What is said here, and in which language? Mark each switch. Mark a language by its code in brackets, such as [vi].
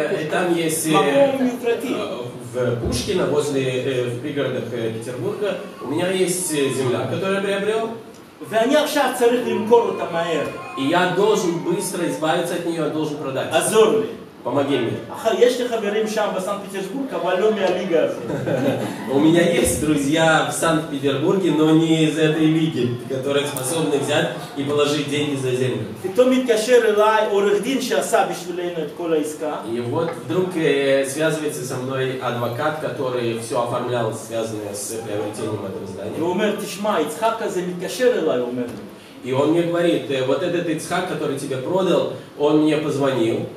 [ru] Там есть в Пушкина, возле в пригородах Петербурга, у меня есть земля, которую я приобрел. [he] ואני עכשיו צריך למכור אותה מהר. [ru] Я должен быстро избавиться от нее, должен продать. [he] עזור לי. [ru] Помоги мне. [he] יש לי חברים שם בסנט-פטרסבורג, אבל לא מהליגה הזאת. [ru] У меня есть друзья в Санкт-Петербурге, но не из этой лиги, которые способны взять и положить деньги за землю. [he] פתאום מתקשר אליי עורך דין שעשה בשבילנו את כל העסקה. [ru] И вот вдруг связывается со мной адвокат, который все оформлял, связанное с приобретением этого здания. [he] И אומר, תשמע, יצחק הזה מתקשר אליי, אומר. [ru] И он мне говорит, вот этот Ицхак, который тебе продал, он мне позвонил.